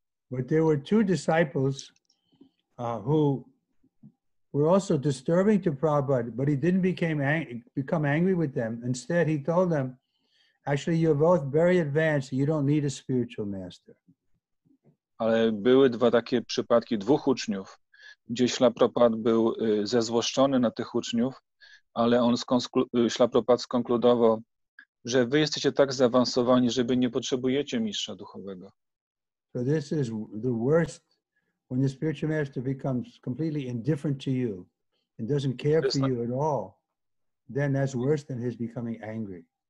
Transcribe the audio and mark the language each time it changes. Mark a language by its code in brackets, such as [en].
[en] But there were two disciples who were also disturbing to Prabhupada, but he didn't become angry with them. Instead, he told them, actually, you're both very advanced. You don't need a spiritual master. [pl] Ale były dwa takie przypadki dwóch uczniów, gdzie Śla Prabhupada był zezłoszczony na tych uczniów, ale on skonkludował, że wy jesteście tak zaawansowani, że wy nie potrzebujecie mistrza duchowego. [en] So this is the worst, when the spiritual master becomes completely indifferent to you and doesn't care for you at all, then that's worse than his becoming angry.